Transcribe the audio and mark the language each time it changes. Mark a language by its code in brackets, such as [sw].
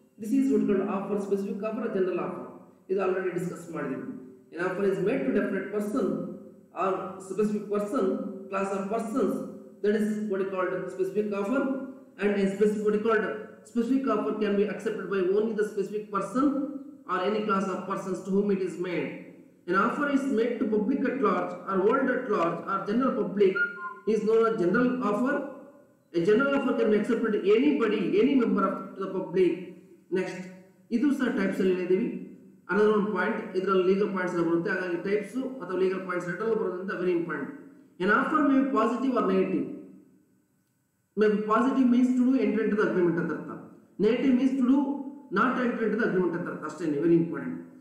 [en] This is what called offer specific offer general offer. [kn] ಇದು already discuss ಮಾಡಿದ್ದೀವಿ. [en] An offer is made to definite person or specific person, class of persons, that is what is called specific offer. And a specific, what is called specific offer, can be accepted by only the specific person or any class of persons to whom it is made. An offer is made to public at large or world at large or general public is known as general offer. A general offer can be accepted to anybody, any member of the public. [kn] Next, idu sa types alledevi. Another one point, ಇದರಲ್ಲಿ legal points ಬರುತ್ತೆ. ಹಾಗಾಗಿ types ಅಥವಾ legal points return ಬರೋದ್ರಿಂದ very important. [en] An offer may be positive or negative. May be positive means to do enter into the agreement [kn] ಅಂತ ಅರ್ಥ. [en] negative means to do not enter into the agreement [kn] ಅಂತ ಅರ್ಥ. ಅಷ್ಟೇ, [en] Very important.